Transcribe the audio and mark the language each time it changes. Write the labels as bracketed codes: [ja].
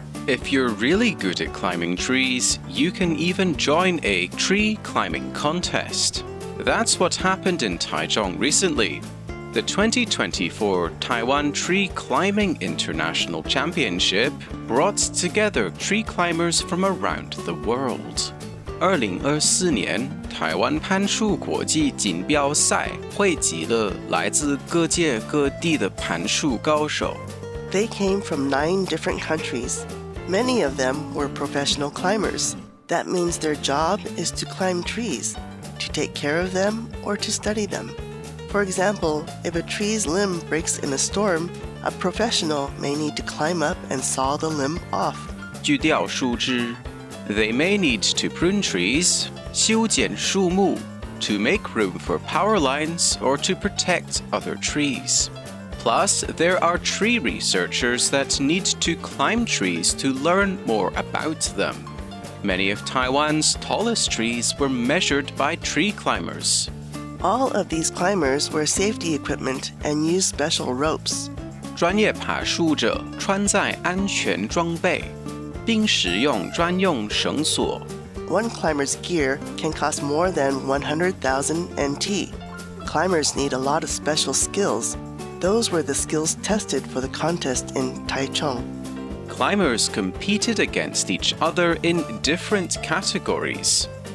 [en] If you're really good at climbing trees, you can even join a tree climbing contest. That's what happened in Taichung recently. The 2024 Taiwan Tree Climbing International Championship brought together tree climbers from around the world. [zh] 2024年台湾攀树国际锦标赛汇集了来自各界各地的攀树高手。 [en] They came from 9 different countries. Many of them were professional climbers. That means their job is to climb trees, to take care of them, or to study them. For example, if a tree's limb breaks in a storm, a professional may need to climb up and saw the limb off. [zh] 锯掉树枝。 [en] They may need to prune trees, [zh] 修剪树木, [en] to make room for power lines or to protect other trees. Plus, there are tree researchers that need to climb trees to learn more about them. Many of Taiwan's tallest trees were measured by tree climbers. All of these climbers wear safety equipment and use special ropes. [zh] 专业爬树者穿在安全装备。并使用专用绳索。 [en] One climber's gear can cost more than 100,000 NT. Climbers need a lot of special skills. Those were the skills tested for the contest in Taichung. Climbers competed against each other in different categories.